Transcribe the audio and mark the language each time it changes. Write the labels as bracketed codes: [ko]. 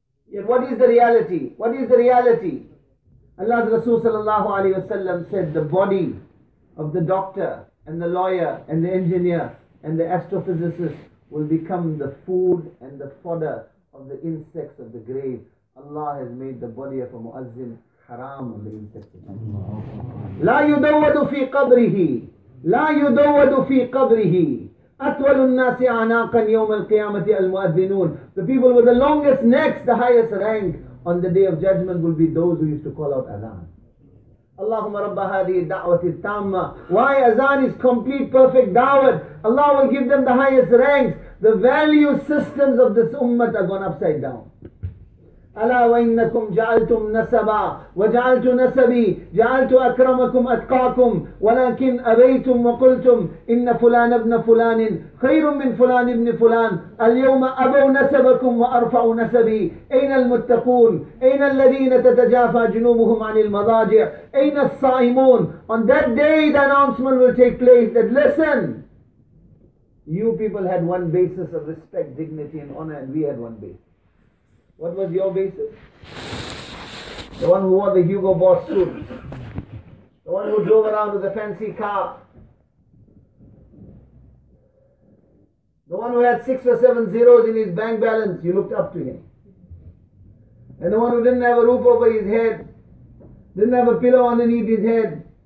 [en] Yet what is the reality? What is the reality? Allah's Rasul sallallahu alayhi wa sallam said, the body of the doctor and the lawyer and the engineer and the astrophysicist will become the food and the fodder of the insects of the grave. Allah has made the body of a muazzin haram on the insects of the grave. [ar] لا يدود في قبره لا يدود في قبره أطول الناس أعناقا يوم القيامة المؤذنون. [en] The people with the longest necks, the highest rank on the day of judgment will be those who used to call out adhan. [ar] Allahumma rabba hadhi da'wati tamma. [en] Why azan is complete, perfect da'wat. Allah will give them the highest ranks. The value systems of this ummah are gone upside down. [ar] ألا وإنكم جعلتم نسبا وجعلت نسبي جعلت أكرمكم أتقاكم ولكن أبيتم وقلتم إن فلان ابن فلان خير من فلان ابن فلان اليوم أبوا نسبكم وأرفع نسبي أين المتقون أين الذين تتجافى جنوبهم عن المضاجع أين الصائمون [en] On that day the announcement will take place that listen you people had one basis of respect dignity and honor and we had one basis What was your basis? The one who wore the Hugo Boss suit. The one who drove around with a fancy car. The one who had 6 or 7 zeros in his bank balance, you looked up to him. And the one who didn't have a roof over his head, didn't have a pillow underneath his head.